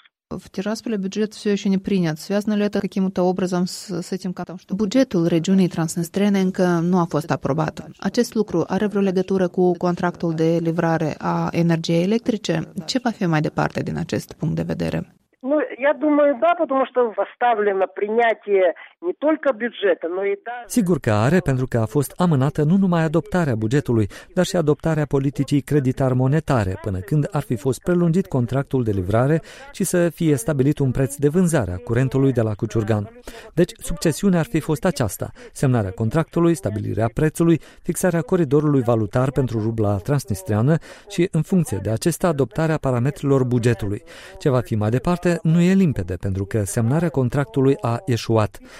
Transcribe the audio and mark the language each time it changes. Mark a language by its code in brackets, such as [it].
[ru] В Тирасполе бюджет все еще не принят. Связано ли это каким-то образом с этим катом, что бюджетul [ro] regiunii Transnistrene încă nu a fost aprobat? Acest lucru are vreo legătură cu contractul de livrare a energiei electrice? Ce va fi mai departe din acest punct de vedere? [ru] Ну, я думаю, да, потому что поставлено принятие не только бюджета, но и даже... [ro] Sigur că are, pentru că a фост amânată nu numai adoptarea bugetului, dar și adoptarea politicii creditar monetare, până când ar fi fost prelungit contractul de livrare și să fie stabilit un preț de vânzare a curentului de la Cuciurgan. Deci, succesiunea ar fi fost aceasta: semnarea contractului, stabilirea prețului, fixarea coridorului valutar pentru rubla transnistreană și, în funcție de acesta, adoptarea parametrilor bugetului. Ce va fi mai departe nu e limpede, pentru că semnarea contractului a eșuat.